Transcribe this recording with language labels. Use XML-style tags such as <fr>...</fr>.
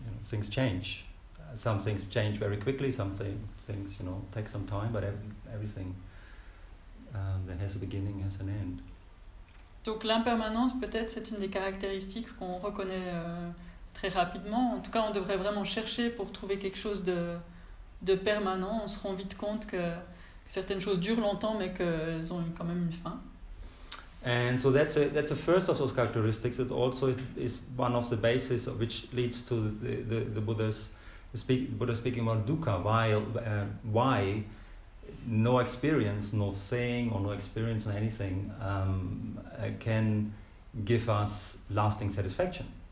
<en>You know, things change. Some things change very quickly. Some things, you know, take some time. But everything that has a beginning has an end.</en> <fr>Donc l'impermanence, peut-être, c'est une des caractéristiques qu'on reconnaît très rapidement. En tout cas, on devrait vraiment chercher pour trouver quelque chose de permanent. On se rend vite compte que certaines choses durent longtemps, mais qu'elles ont quand même une fin.</fr> <en>And so that's the first of those characteristics. It also is one of the basis of which leads to the Buddha speaking about dukkha. Why no experience, no thing, or no experience in anything can give us lasting satisfaction.</en>